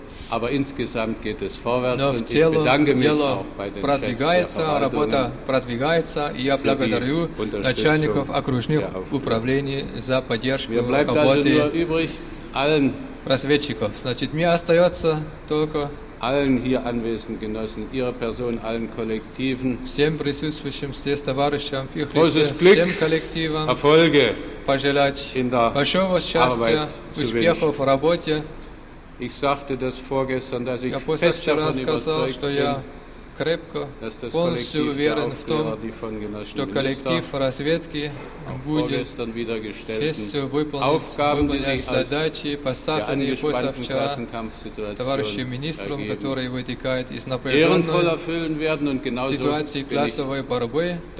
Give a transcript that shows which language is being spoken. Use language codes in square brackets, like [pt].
[de] Aber insgesamt geht es vorwärts und ich bedanke mich auch bei den Chefs der Verwaltungen. [ru] Работа продвигается, и я благодарю начальников окружных управлений за поддержку работы разведчиков. Значит, мне остается только [de] allen hier anwesenden Genossen, ihrer Person, allen Kollektiven, [ru] всем присутствующим здесь товарищам, их лице, всем коллективам, [de] Erfolge [ru] пожелать [de] in der [ru] большого счастья, успехов в работе. [de] Ich sagte das vorgestern, dass ich fest davon überzeugt [ru] крепко, полностью уверен в том, что коллектив разведки будет честью выполнять задачи, поставленные позавчера товарищем министром, которые вытекают из напряженной ситуации классовой борьбы.